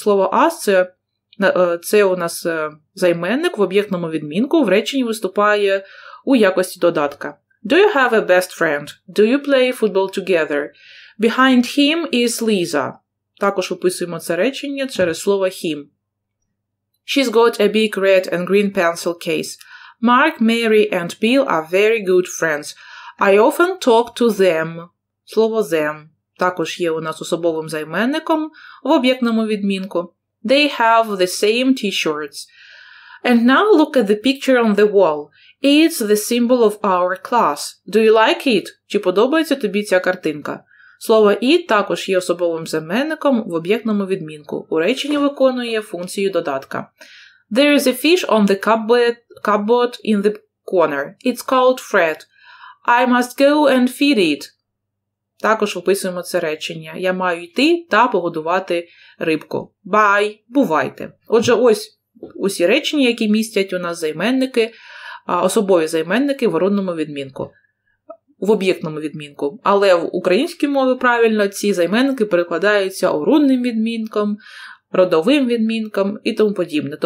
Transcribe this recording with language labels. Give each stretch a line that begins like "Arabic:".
Ukrainian: Слово us – це у нас займенник в об'єктному відмінку. В реченні виступає у якості додатка.
English: Do you have a best friend? Do you play football together? Behind him is Lisa.
Ukrainian: Також виписуємо це речення через слово him.
English: She's got a big red and green pencil case. Mark, Mary and Bill are very good friends. I often talk to them.
Ukrainian: Слово them також є у нас особовим займенником в об'єктному відмінку.
English: They have the same t-shirts. And now look at the picture on the wall. It's the symbol of our class. Do you like it?
Ukrainian: Чи подобається тобі ця картинка? Слово it також є особовим займенником в об'єктному відмінку. У реченні виконує функцію додатка.
English: There is a fish on the cupboard in the corner. It's called Fred. I must go and feed it.
Ukrainian: Також описуємо це речення. Я маю йти та погодувати рибку.
English: Bye!
Ukrainian: Бувайте! Отже, ось усі речення, які містять у нас займенники, особові займенники в родному відмінку. В об'єктному відмінку. Але в українській мові правильно ці займенники перекладаються орудним відмінком, родовим відмінком і тому подібне.